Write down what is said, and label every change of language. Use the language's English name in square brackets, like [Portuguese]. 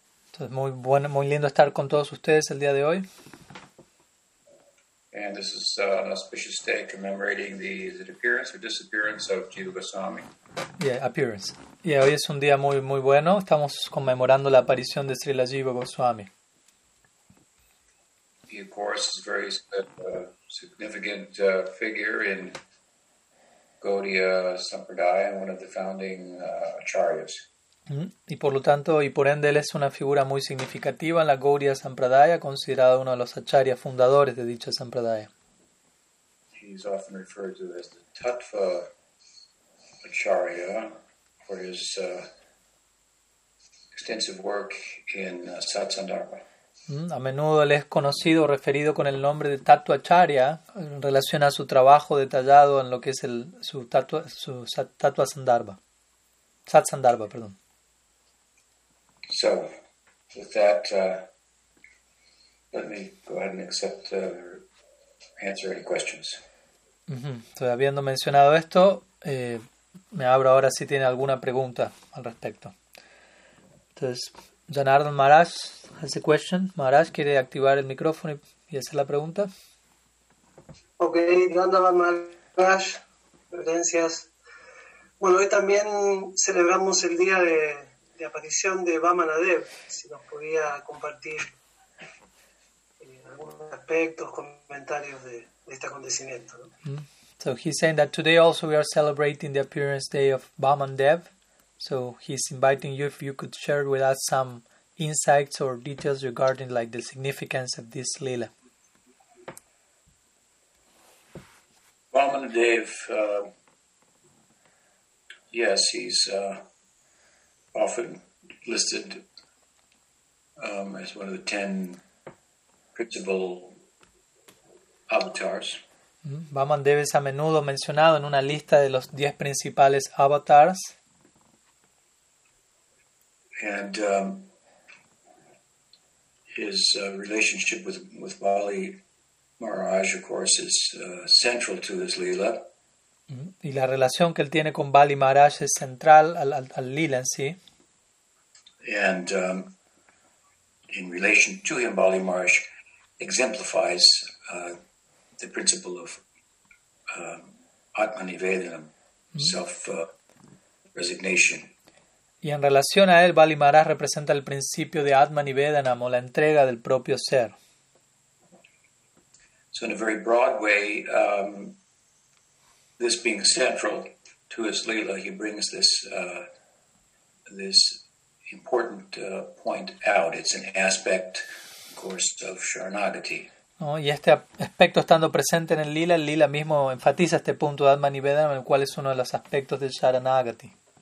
[Spanish] Entonces, muy bueno, muy lindo estar con todos ustedes el día de hoy. [English] And this is an auspicious day commemorating the appearance or disappearance of Jiva Goswami. Yeah, appearance. [Spanish] Yeah, hoy es un día muy, muy bueno. Estamos conmemorando la aparición de Srila Jiva Goswami. [English] He, of course, is a very significant figure in Gaudiya Sampradaya, one of the founding acharyas. [Spanish] Y por lo tanto, y por ende, él es una figura muy significativa en la Gaudiya Sampradaya, considerado uno de los acharyas fundadores de dicha Sampradaya. [English] He's often referred to as the Tattva Acharya for his extensive work in Satsandharma. [Spanish] A menudo él es conocido, referido con el nombre de Tattva Acharya en relación a su trabajo detallado en lo que es Satsandharva, perdón. [English] So, with that, let me go ahead and accept or answer any questions. [Spanish] Entonces, habiendo mencionado esto, me abro ahora si tiene alguna pregunta al respecto. Entonces, Janardhan Maharaj [English] has a question. [Spanish] Maharaj quiere activar el micrófono y hacer la pregunta. Ok, Janardhan Maharaj, gracias. Bueno, hoy también celebramos el día de aparición de Vamanadev. Si nos podía compartir algunos aspectos, comentarios de este acontecimiento. [English] So he's saying that today also we are celebrating the appearance day of Vamanadev. So he's inviting you if you could share with us some insights or details regarding like the significance of this Leela. Vamanadev, yes, he's often listed as one of the 10 principal avatars. [Spanish] Vamanadev es a menudo mencionado en una lista de los 10 principales avatars. [English] And his relationship with Bali Maharaj, of course, is central to his Leela. [Spanish] Y la relación que él tiene con Bali Maharaj es central al Leela en sí. [English] And in relation to him, Bali Maharaj exemplifies the principle of Atmanivedanam, self-resignation. [Spanish] Y en relación a él, Bali Maharaj representa el principio de Atmanivedanam, o la entrega del propio ser. [English] So in a very broad way, this being central to his Leela, he brings this this important point out. It's an aspect, of course, of Sharanagati. [Spanish] ¿No? Y este aspecto estando presente en el Leela mismo enfatiza este punto de Atmanivedanam, el cual es uno de los aspectos del Sharanagati.